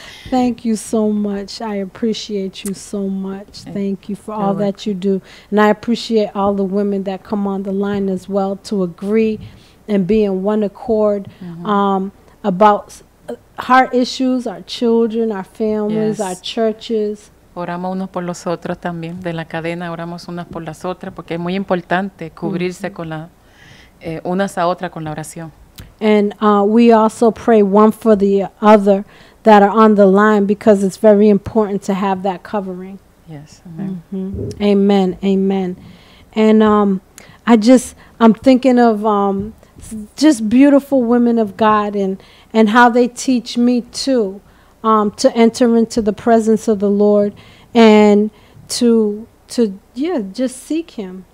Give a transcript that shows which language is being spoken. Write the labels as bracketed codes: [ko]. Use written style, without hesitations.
[en] Thank you so much. I appreciate you so much. Thank you for all that you do. And I appreciate all the women that come on the line as well to agree and be in one accord about heart issues, our children, our families, our churches. [es] Oramos unos por los otros también. De la cadena oramos unas por las otras porque es muy importante cubrirse con la unas a otras con la oración. [en] And we also pray one for the other that are on the line because it's very important to have that covering. Yes. Amen. Mm-hmm. Amen. Amen. And I'm thinking of just beautiful women of God and how they teach me too to enter into the presence of the Lord and to seek him.